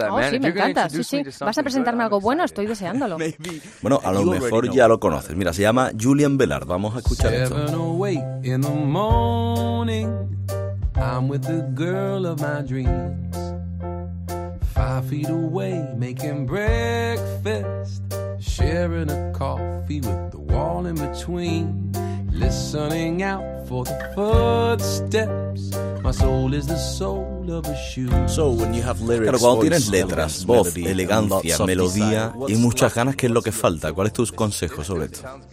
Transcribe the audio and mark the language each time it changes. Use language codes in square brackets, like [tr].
[es] ¿Vas a presentarme algo bueno? Estoy deseándolo. Bueno, a lo mejor ya lo conoces. Mira, se llama Julian Velard. Vamos a escuchar esto. [en] In the morning, I'm with the girl of my dreams. 5 feet away, making breakfast, sharing a coffee with the wall in between. Listening out for the footsteps. My soul is the soul of a shoe. So when you have lyrics, [es] claro, cuando tienes letras, voz, elegancia, melodía y muchas ganas, ¿qué es lo que falta? ¿Cuál es tu consejo sobre esto?